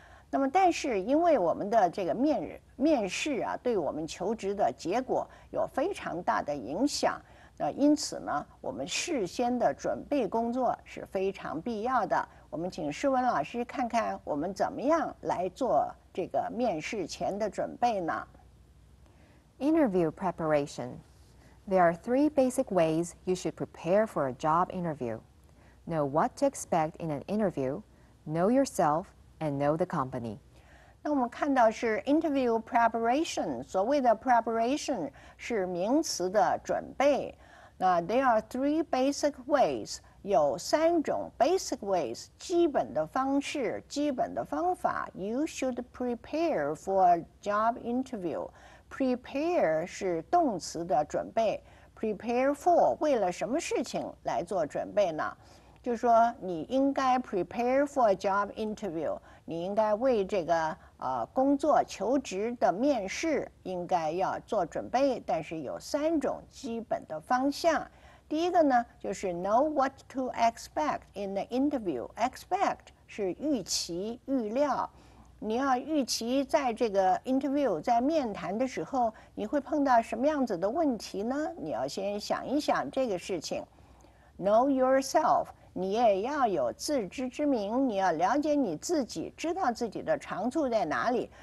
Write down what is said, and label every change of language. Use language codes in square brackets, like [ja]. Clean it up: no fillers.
[zh] 那么，但是因为我们的这个面试啊，对我们求职的结果有非常大的影响，那因此呢，我们事先的准备工作是非常必要的。我们请世文老师看看我们怎么样来做这个面试前的准备呢 [en] ？Interview preparation。 There are three basic ways you should prepare for a job interview. Know what to expect in an interview, know yourself, and know the company. [zh] 那我们看到是 [en] interview preparation， [zh] 所谓的 preparation 是名词的准备。那 [en] there are three basic ways， [zh] 有三种 [en] basic ways， [zh] 基本的方式，基本的方法。 [en] You should prepare for a job interview. [zh] Prepare 是动词的准备 ， [en] prepare for [zh] 为了什么事情来做准备呢？就是说你应该 [en] prepare for a job interview， [zh] 你应该为这个工作求职的面试应该要做准备。但是有三种基本的方向。第一个呢，就是 [en] know what to expect in the interview。 [zh] Expect 是预期、预料。你要预期在这个 interview 在面谈的时候你会碰到什么样子的问题呢？你要先想一想这个事情。 [en] Know yourself， [zh] 你也要有自知之明，你要了解你自己，知道自己的长处在哪里。